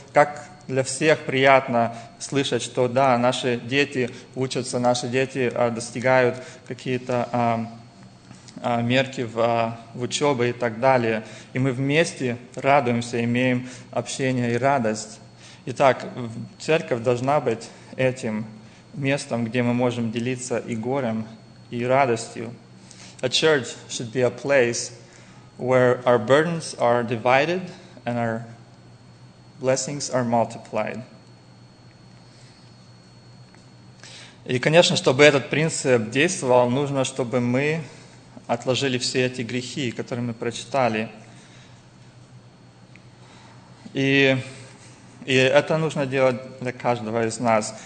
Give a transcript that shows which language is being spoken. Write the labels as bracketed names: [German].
[Russian] Как для всех приятно слышать, что да, наши дети учатся, наши дети достигают какие-то мерки в учебе и так далее. И мы вместе радуемся, имеем общение и радость. Итак, церковь должна быть этим местом, где мы можем делиться и горем, и радостью. [English] A church should be a place where our burdens are divided and our blessings are multiplied. [Russian] И, конечно, чтобы этот принцип действовал, нужно, чтобы мы отложили все эти грехи, которые мы прочитали. И это нужно делать для каждого из нас.